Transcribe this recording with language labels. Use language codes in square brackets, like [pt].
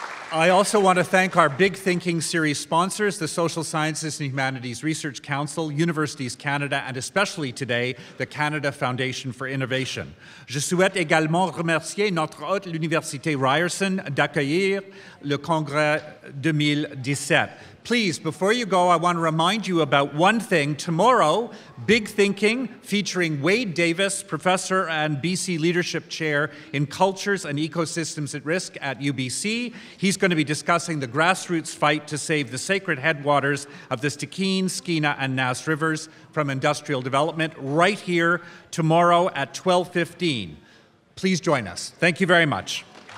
[en] I also want to thank our Big Thinking series sponsors, the Social Sciences and Humanities Research Council, Universities Canada, and especially today, the Canada Foundation for Innovation. [fr] Je souhaite également remercier notre hôte, l'Université Ryerson, d'accueillir le Congrès 2017. [en] Please, before you go, I want to remind you about one thing. Tomorrow, Big Thinking, featuring Wade Davis, professor and BC Leadership Chair in Cultures and Ecosystems at Risk at UBC. He's going to be discussing the grassroots fight to save the sacred headwaters of the Stikine, Skeena, and Nass Rivers from industrial development right here tomorrow at 12:15. Please join us. Thank you very much.